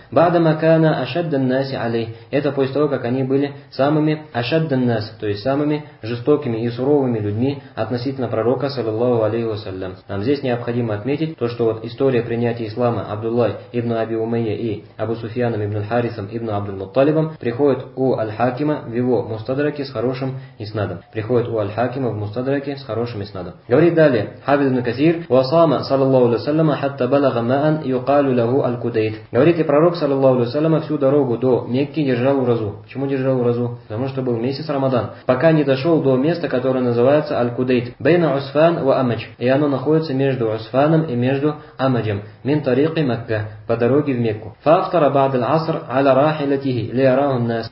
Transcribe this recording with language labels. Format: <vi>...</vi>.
<ar>Ба'дама кана ашадда ан-наси алей.</ar> <ru>Это после того, как они были самыми ашадда ан-нас, то есть самыми жестокими и суровыми людьми относительно пророка, саллиллаху алейхи ва саллям. Нам здесь необходимо отметить то, что вот история принятия ислама Абдуллай ибн Аби Умайя и Абу Суфьяном ибн Харисом ибн Абдул-Мутталибом приходит у Аль-Хакима в его мустадраке с хорошим иснадом. Приходит у Аль-Хакима в мустадраке с хорошим иснадом. Говорит далее Хафиз ибн Касир,</ru> <ar>وصام صلى الله عليه وسلم حتى بلغ ماء يقال له الكديت.</ar> <ru>Говорит, и пророк, саллиллаху алейхи ва саллям, всю дорогу до Мекки держал уразу. Почему держал уразу? Потому что был месяц Рамадан. Пока не дошел до места, которое называется Аль-Кудейт.</ru> <ar>Бейна Усфан ва Амадж.</ar> <ru>И оно находится между Усфаном и между Амаджем.</ru> <ar>Мин тариқи Мекка.</ar> <ru>По дороге в Мекку.</ru> <ar>Фафтара бад аль-аср аля рахилатихи ли араху ан-нас.</ar>